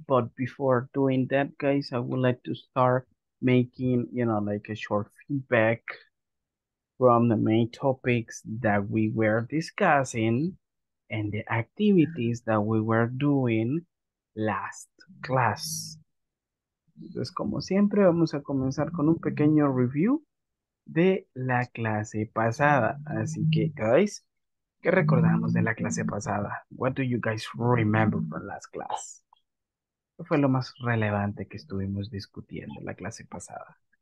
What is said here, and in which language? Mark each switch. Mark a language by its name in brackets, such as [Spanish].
[English] But before doing that, guys, I would like to start making, you know, like a short feedback from the main topics that we were discussing and the activities that we were doing last class. [Spanish] Entonces, como siempre, vamos a comenzar con un pequeño review de la clase pasada. Así que, guys, ¿qué recordamos de la clase pasada? [English] What do you guys remember from last class? [Spanish] ¿Qué fue lo más relevante que estuvimos discutiendo en la clase pasada?